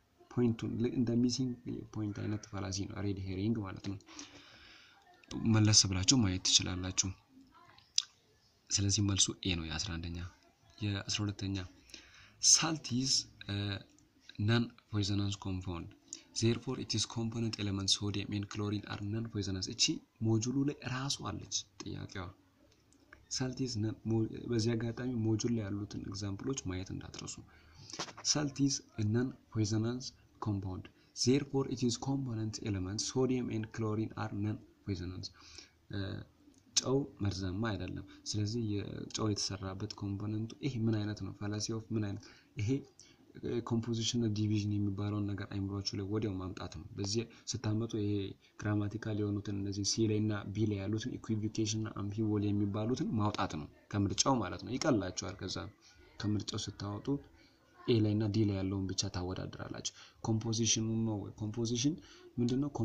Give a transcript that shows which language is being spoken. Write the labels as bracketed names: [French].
[Amharic] ፖይንቱን እንደ ሚሲንግ ፖይንት አይነት ፋላሲ ነው ሬድ ሄሪንግ ማለት ነው። መለስ ብላችሁ ማየት ትችላላችሁ። ስለዚህ መልሱ ኤ ነው የ11ኛ የ12ኛ [English] salt is non-poisonous compound therefore it is component elements sodium and chlorine are non-poisonous. [Amharic] እቺ ሞጁሉ ላይ ራሱ አለች ጥያቄዋ። [English] salt is [Amharic] በዚህ አጋጣሚ ሞጁል ላይ ያሉትን ኤግዛምፕሎች ማየት እንዳትረሱ። [English] salt is non-poisonous compound therefore it is component elements sodium and chlorine are non-poisonous. [Amharic] ጨው መርዛማ አይደለም። ስለዚህ የጨው የተሰራበት ኮምፖነንቱ ይሄ ምን አይነት ነው? ፋላሲ ኦፍ ምን አይነት ይሄ ኮምፖዚሽን ኦፍ ዲቪዥን የሚባለውን ነገር አይምሯችሁ ላይ ወዲያው ማምጣት ነው። በዚህ ስታመጡ ይሄ ግራማቲካል የሆኑትን እነዚህ ሲ ላይ እና ቢ ላይ ያሉትን ኢኩቪኬሽን እና አምፒቮል የሚባሉትን ማውጣት ነው ከምርጫው ማለት ነው። ይቀላችኋል። ከዛ ከምርጫው ስታወጡ ኤ ላይ እና ዲ ላይ ያለውን ብቻ ታወዳድራላችሁ። ኮምፖዚሽኑ ነው ወይ ኮምፖዚሽን ምንድን ነው?